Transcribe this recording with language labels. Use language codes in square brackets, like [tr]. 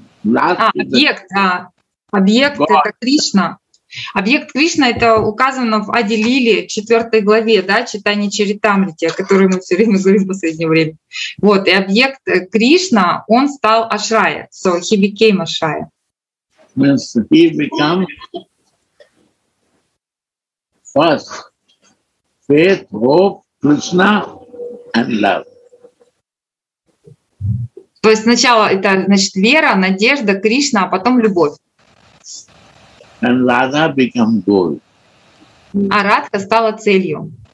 [ru] Объект, да. Объект — это Кришна. Объект Кришна — это указано в Адилиле, 4 главе, да, Читания Чаритамрити, о которой мы все время говорим в последнее время. Вот, и объект Кришна, он стал Ашрая. [en] So he became Ашрая. Means he became first faith, hope, Krishna and love. [ru] То есть сначала это, значит, вера, надежда, Кришна, а потом любовь. [en] And Radha became goal. [ru] А Радха стала целью.